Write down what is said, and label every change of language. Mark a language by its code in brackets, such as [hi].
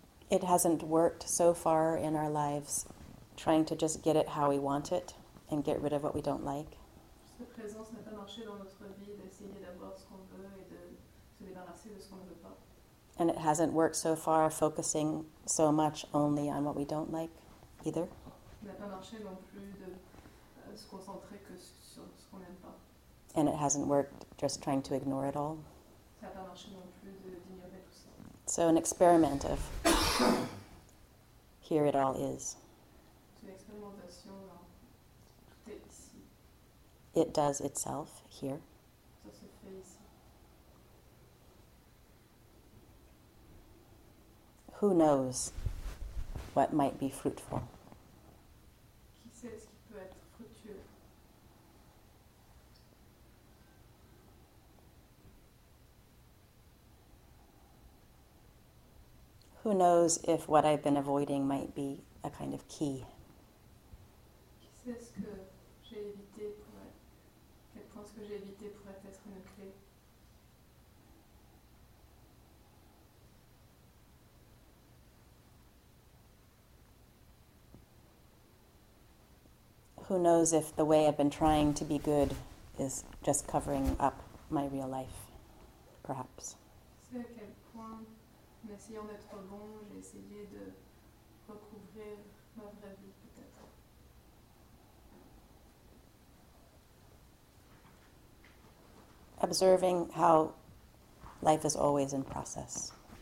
[en] It hasn't worked so far in our lives, trying to just get it how we want it and get rid of what we don't like. [fr] Cette présence n'a pas marché dans notre vie d'essayer d'avoir ce qu'on veut et de se débarrasser de ce qu'on ne veut pas. [en] And it hasn't worked so far focusing so much only on what we don't like either. [fr] Ça n'a pas marché non plus de se concentrer que sur ce qu'on n'aime pas. [en] And it hasn't worked just trying to ignore it all. [fr] Ça n'a pas marché non plus d'ignorer tout ça. [en] So an experiment of here it all is. [fr] C'est une expérimentation, là. Tout est ici. [en] It does itself here. [fr] Ça se fait ici. [en] Who knows what might be fruitful? [fr] Qui sait ce qui peut être fructueux? [en] Who knows if what I've been avoiding might be a kind of key? [fr] Qui sait ce que j'ai évité pourrait, quel point ce que j'ai évité pourrait être une clé? [en] Who knows if the way I've been trying to be good is just covering up my real life, perhaps? [fr] C'est à quel point en essayant d'être bon, j'ai essayé de recouvrir ma vraie vie, peut-être. [en] Observing how life is always in process.